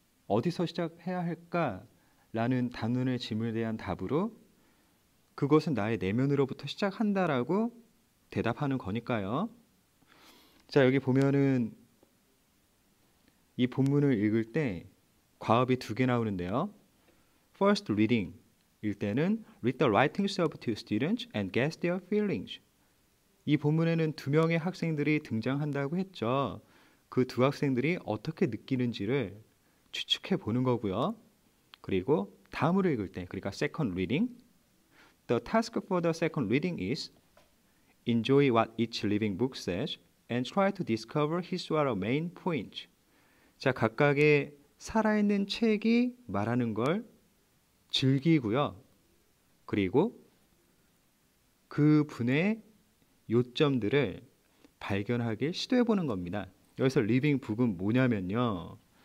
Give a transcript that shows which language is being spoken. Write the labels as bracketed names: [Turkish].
[Korean] 어디서 시작해야 할까? 라는 단원의 질문에 대한 답으로 그것은 나의 내면으로부터 시작한다라고 대답하는 거니까요. 자, 여기 보면은 이 본문을 읽을 때 과업이 두개 나오는데요. [English] First reading. [Korean] 일 때는 [English] read the writings of two students and guess their feelings. [Korean] 이 본문에는 두 명의 학생들이 등장한다고 했죠. 그두 학생들이 어떻게 느끼는지를 추측해 보는 거고요. 그리고 다음으로 읽을 때, 그러니까 second reading. [English] The task for the second reading is enjoy what each living book says and try to discover his or her main points. [Korean] 자, 각각의 살아있는 책이 말하는 걸 즐기고요. 그리고 그 분의 요점들을 발견하길 시도해 보는 겁니다. 여기서 living book은 뭐냐면요.